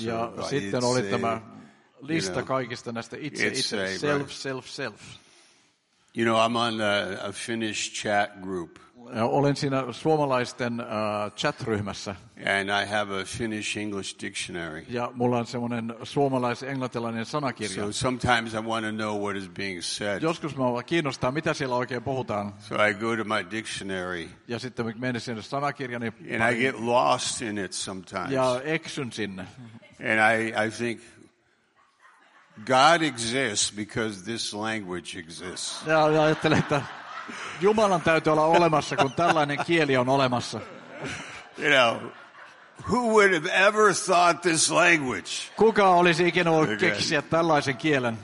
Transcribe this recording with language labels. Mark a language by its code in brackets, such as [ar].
[fi] Ja sitten oli tämä lista kaikista näistä itse self. [en] You know, I'm on a Finnish chat group. [fi] Olen siinä suomalaisten chat-ryhmässä. [en] And I have a Finnish-English dictionary. [fi] Ja mulla on semmoinen suomalais-englantilainen sanakirja. [en] So sometimes I want to know what is being said. [fi] Joskus mä kiinnostaa, mitä siellä oikein puhutaan. [en] So I go to my dictionary. [fi] Ja sitten mä menen sinne sanakirjani. [en] And I get lost in it sometimes. [fi] Ja eksyn sinne. [en] And I think God exists because this language exists. [fi] Ja ajattelen, että Jumalan täytyy olla olemassa, kun tällainen kieli on olemassa. [en] You know, who would have ever thought this language? [fi] Kuka olisi ikinä voinut keksiä tällaisen kielen?